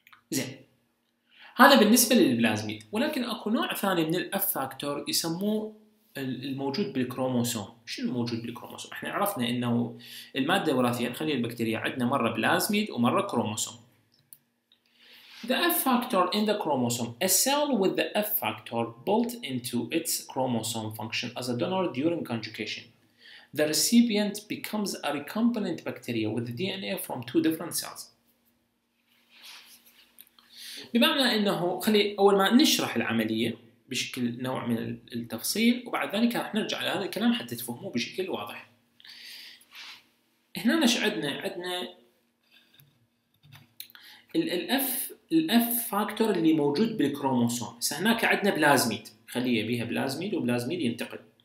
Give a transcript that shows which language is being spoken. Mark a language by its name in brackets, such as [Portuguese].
[Arabic] زين، هذا بالنسبه للبلازميد، ولكن اكو نوع ثاني من الاف فاكتور يسموه الموجود بالكروموسوم. شنو الموجود بالكروموسوم؟ احنا عرفنا انه المادة الوراثية الخلية البكتيرية عندنا مرة بلازميد ومرة كروموسوم. [English] The F factor in the chromosome. A cell with the F factor built into its chromosome function as a donor during conjugation. The recipient becomes a recombinant bacteria with the DNA from two different cells. [Arabic] بمعنى انه خلي اول ما نشرح العملية بشكل نوع من التفصيل، وبعد ذلك راح نرجع لهذا الكلام حتى تفهموه بشكل واضح. هنا ايش عندنا؟ عندنا الاف فاكتور اللي موجود بالكروموسوم، بس هناك عندنا بلازميد، خليه بيها بلازميد، وبلازميد ينتقل.